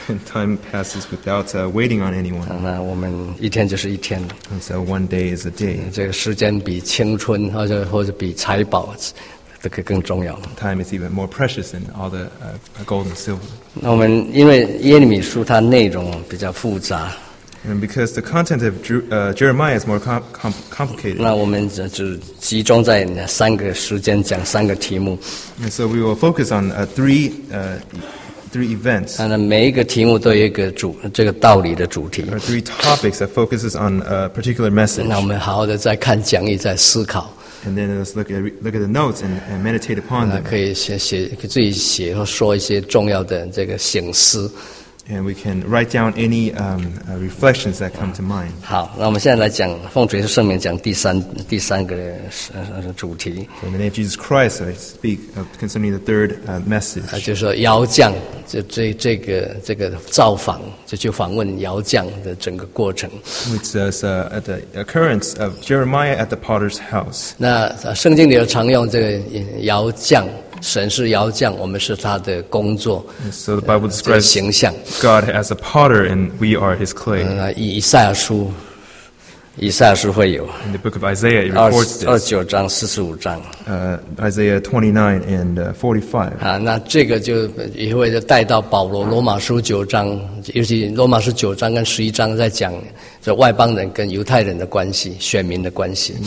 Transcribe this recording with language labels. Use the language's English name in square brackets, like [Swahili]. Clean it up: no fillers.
[English] Time passes without waiting on anyone. [Chinese] 那我们一天就是一天。 [English] And so one day is a day. [Chinese] 这个时间比青春或者比财宝。这个更重要。 [English] Time is even more precious than all the gold and silver. [Chinese] 那我们因为耶利米书它内容比较复杂。 [English] And because the content of Jeremiah is more complicated. [Chinese] 那我们只集中在三个时间讲三个题目。 [English] And so we will focus on three events. [Chinese] 那每一个题目都有一个这个道理的主题。 [English] Or three topics that focuses on a particular message. [Chinese] 那我们好好的再看讲义，再思考。 [English] And then let's look at the notes and meditate upon them. [Chinese] 可以自己写或说一些重要的这个省思。 [English] And we can write down any reflections that come to mind. [Chinese] 好，那我们现在来讲奉主耶稣圣名讲第三个主题。 [English] So in the name of Jesus Christ, I speak concerning the third message. [Chinese] 就是说窑匠这个造访，就去访问窑匠的整个过程。 [English] Which is the occurrence of Jeremiah at the potter's house. [Chinese] 那圣经里头常用这个窑匠。神是窑匠，我们是他的工作。 [English] So the Bible describes [Chinese] 形象。 [English] God as a potter, and we are His clay. [Chinese] 以赛亚书会有。 [English] In the book of Isaiah, it records this. 29:45. Isaiah 29:45. [Chinese] 那这个就也会带到保罗罗马书九章，尤其罗马书九章跟十一章在讲这外邦人跟犹太人的关系，选民的关系。